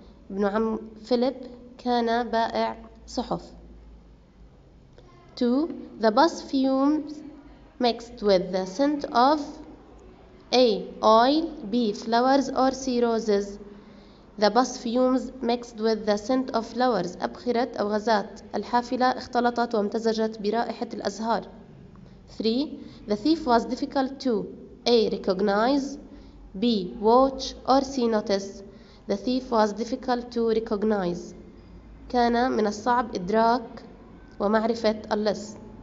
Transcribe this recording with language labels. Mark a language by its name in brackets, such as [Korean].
[Arabic] ابن عم Philip كان بائع صحف. 2. [English] The bus fumes mixed with the scent of A. Oil. B. Flowers. Or C. Roses. The bus fumes mixed with the scent of flowers. [Arabic] أبخرت أو غازات. الحافلة اختلطت وامتزجت برائحة الأزهار. [English] 3. The thief was difficult to A. Recognize. B. Watch. Or C. Notice. The thief was difficult to recognize. [Arabic] كان من الصعب إدراك ومعرفة اللص.